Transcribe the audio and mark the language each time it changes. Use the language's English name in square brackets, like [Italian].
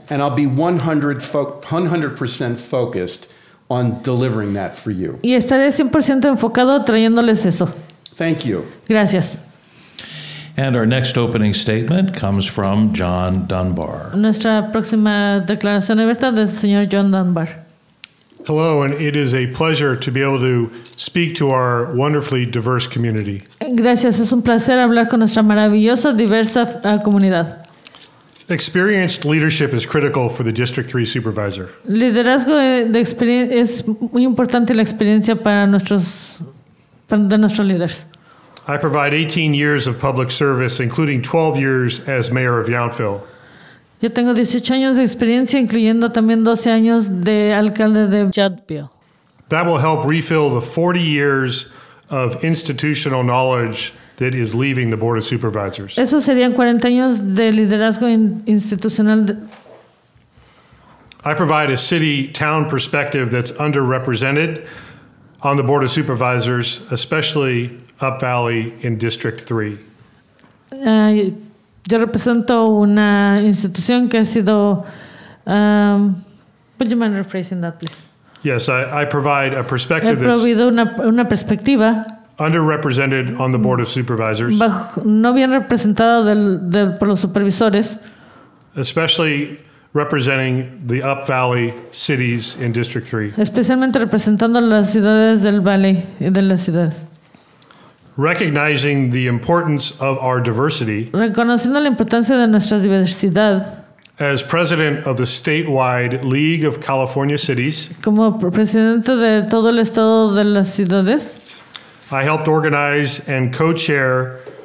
[English] And I'll be 100% focused on delivering that for you. [Spanish] Y estaré 100% enfocado trayéndoles eso. [English] Thank you. [Spanish] Gracias. [English] And our next opening statement comes from John Dunbar. [Spanish] Nuestra próxima declaración abierta del señor John Dunbar. [English] Hello, and it is a pleasure to be able to speak to our wonderfully diverse community. [Spanish] Gracias, es un placer hablar con nuestra maravillosa, diversa comunidad. [English] Experienced leadership is critical for the District 3 supervisor. [Spanish] Liderazgo es muy importante la experiencia para nuestros líderes. [English] I provide 18 years of public service, including 12 years as mayor of Yountville. [Spanish] Yo tengo 18 años de experiencia, incluyendo también 12 años de alcalde de Yountville. [English] That will help refill the 40 years of institutional knowledge that is leaving the Board of Supervisors. [Spanish] Eso serían 40 años de liderazgo institucional. [English] I provide a city-town perspective that's underrepresented on the Board of Supervisors, especially Up Valley in District 3. [Spanish] Yo represento una institución que ha sido... [English] would you mind rephrasing that, please? Yes, I provide a perspective that's... [Spanish] He provido una perspectiva... [English] underrepresented on the Board of Supervisors. [Spanish] No bien representado por los supervisores. [English] Especially representing the Up Valley cities in District 3. [Spanish] Especialmente representando las ciudades del valle y de la ciudad. [English] Recognizing the importance of our diversity. [Spanish] Reconociendo la importancia de nuestra diversidad. [English] As president of the statewide League of California Cities. [Spanish] Como presidente de todo el estado de las ciudades. [English] I helped organize and co-chair.